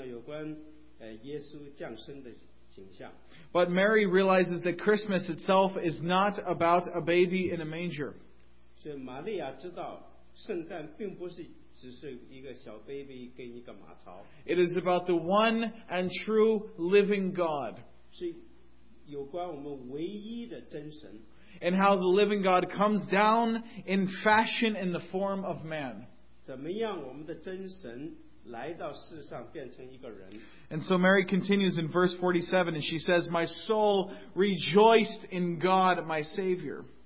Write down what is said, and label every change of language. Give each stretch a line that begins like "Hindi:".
Chinese: 所以在圣诞期间我们看到有关耶稣降生的景象。
English: But Mary realizes that Christmas itself is not about a baby in a manger.
Chinese: 所以玛利亚知道圣诞并不是只是一个小baby跟一个马槽。
English: It is about the one and true living God.
Chinese: 是有关我们唯一的真神。
English: And how the living God comes down in fashion in the form of man.
Chinese: 怎么样我们的真神来到世上变成一个人。
English: And so Mary continues in verse 47 and she says, "My soul rejoiced in God my Savior."